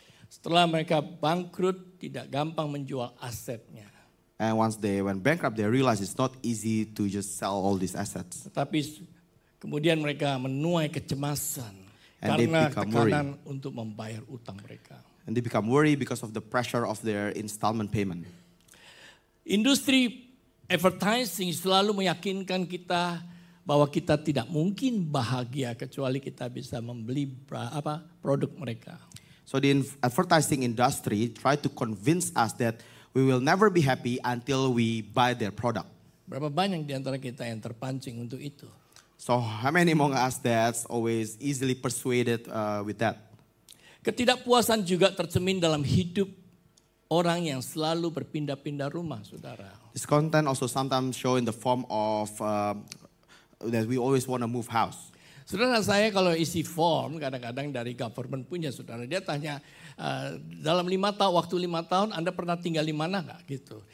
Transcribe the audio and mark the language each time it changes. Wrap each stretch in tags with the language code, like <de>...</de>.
<id>Setelah mereka bangkrut, tidak gampang menjual asetnya.</id> <en>And once they went bankrupt, they realized it's not easy to just sell all these assets.</en> <id>Tetapi kemudian mereka menuai kecemasan.</id> <en>and they become worried.</en> <id>Untuk membayar utang mereka.</id> <en>And they become worried because of the pressure of their installment payment.</en> <id>Industri advertising selalu meyakinkan kita bahwa kita tidak mungkin bahagia kecuali kita bisa membeli produk mereka.</id> <en>So the advertising industry try to convince us that we will never be happy until we buy their product.</en> <id>Berapa banyak di antara kita yang terpancing untuk itu?</id> <en>So how many among us that's always easily persuaded with that?</en> <id>Ketidakpuasan juga tercermin dalam hidup orang yang selalu berpindah-pindah rumah, saudara.</id> <en>This content also sometimes show in the form of that we always want to move house.</en> <id>Saudara saya kalau isi form kadang-kadang dari government punya, saudara, dia tanya dalam waktu lima tahun Anda pernah tinggal di mana nggak gitu.</id>